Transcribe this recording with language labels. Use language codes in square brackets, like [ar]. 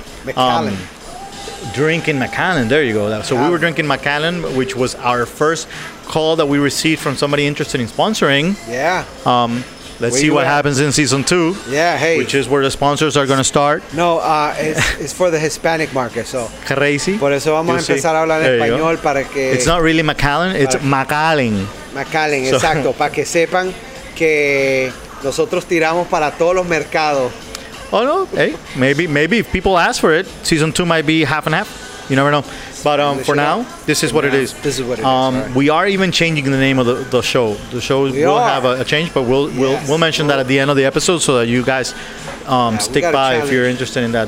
[en] McAllen. Drinking McAllen. There you go. So we were drinking McAllen, which was our first call that we received from somebody interested in sponsoring. Yeah. Let's see what happens in season two. Yeah, hey. Which is where the sponsors are going to start. No, it's for the Hispanic market, so. Crazy. [es] Por eso vamos a empezar a hablar en español para que. [en] It's not really McAllen, it's McAllen. McAllen, so. Exacto. [es] Para que sepan que nosotros tiramos para todos los mercados. [en] Oh, no. Hey, maybe if people ask for it, season two might be half and half. You never know. But for now, this is what it is. This is what it is. We are even changing the name of the show. The show will have a change, but we'll mention that at the end of the episode so that you guys stick by if you're interested in that.